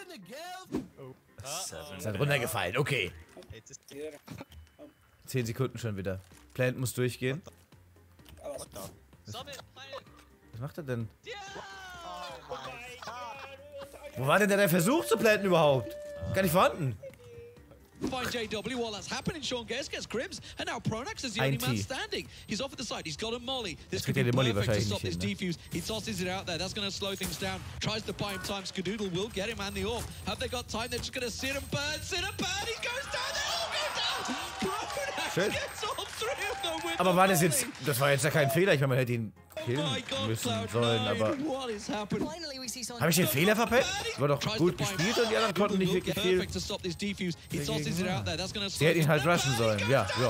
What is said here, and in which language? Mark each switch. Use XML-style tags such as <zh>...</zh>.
<en>in the guild!</en> <de>Ist halt runtergefallen, okay. 10 Sekunden schon wieder. Plant muss durchgehen. Was macht er denn? Wo war denn der Versuch zu planten überhaupt? Gar nicht vorhanden.</de> <en>Find JW while that's happening. Sean Guest gets Crims. And now Pronax is the only man standing. He's off at the side. He's got a Molly. This could be perfect to stop this defuse. He tosses it out there. That's going to slow things down. Tries to buy him time. Skadoodle will get him and the AWP. Have they got time? They're just going to sit and burn. He goes down. They all go down. Pronax gets all three of them with</en> <de>Aber war das jetzt... Das war jetzt ja kein Fehler. Ich meine, man hätte ihn killen müssen sollen, aber habe ich den Fehler verpasst? War doch gut gespielt und die anderen konnten nicht wirklich viel. Sie hätten ihn halt rushen sollen, ja.</de>